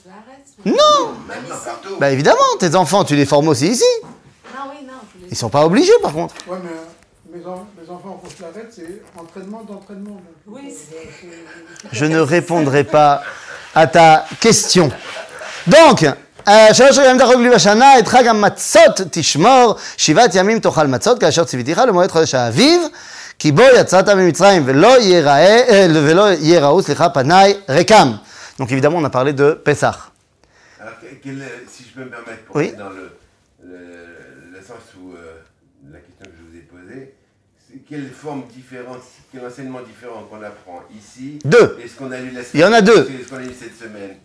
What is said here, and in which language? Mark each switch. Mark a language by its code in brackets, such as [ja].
[fr] l'arrêt. Non. Partout. Bah évidemment, tes enfants, tu les formes aussi ici. Ah oui, non. Ils ne sont pas obligés, par contre. Ouais, mais mes enfants en plus l'arrêt, c'est entraînement d'entraînement. Donc, oui, c'est... Je ne répondrai pas à ta question. Donc... [he] שלוש ימים תחוג לי בשנה, את חג המצות תשמור, שבעת ימים תאכל מצות, כאשר ציוויתיך למועד חודש האביב, כי בו יצאת ממצרים, ולא יראו, סליחה, פניי ריקם. [fr] Donc évidemment, on a parlé de Pessah. Si je peux me permettre, pour aller dans le sens où la question que je vous ai posée, quelle forme différente, quel enseignement différent qu'on apprend ici, deux. Et ce qu'on a lu la semaine, il y en a deux. Ce qu'on a lu cette semaine.